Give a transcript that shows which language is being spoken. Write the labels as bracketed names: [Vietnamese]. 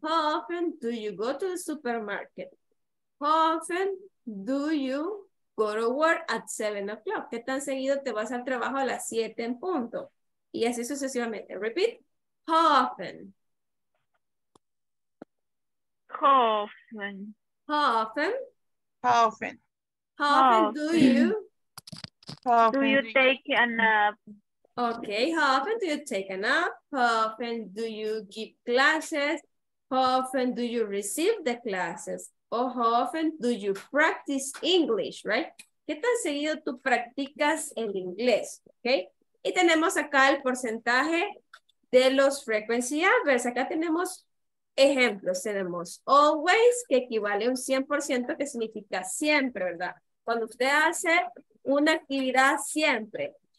[English] How often do you go to the supermarket? How often do you go to work at 7 o'clock? [Spanish] ¿Qué tan seguido te vas al trabajo a las 7 en punto? Y así sucesivamente. [English] Repeat. How often? How often? How often? How often? How often do you? How often do you take a nap? Okay, how often do you take a nap? How often do you give classes? How often do you receive the classes? Or how often do you practice English, right? [Spanish] ¿Qué tan seguido tú practicas el inglés? Okay. Y tenemos acá el porcentaje de los frequency adverbs. Acá tenemos ejemplos. Tenemos always, que equivale a un 100%, que significa siempre, ¿verdad? Cuando usted hace una actividad siempre.